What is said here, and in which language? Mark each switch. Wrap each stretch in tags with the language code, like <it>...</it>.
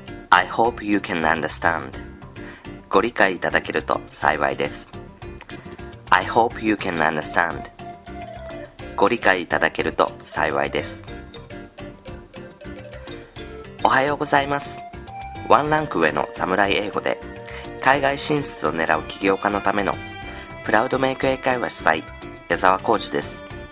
<en>I hope you can understand.</en> <ja>ご理解いただけると幸いです。</ja> <en>I hope you can understand.</en> <ja>ご理解いただけると幸いです。おはようございます。ワンランク上の侍英語で、海外進出を狙う起業家のためのプラウドメイク英会話主催、矢沢浩二です。</ja>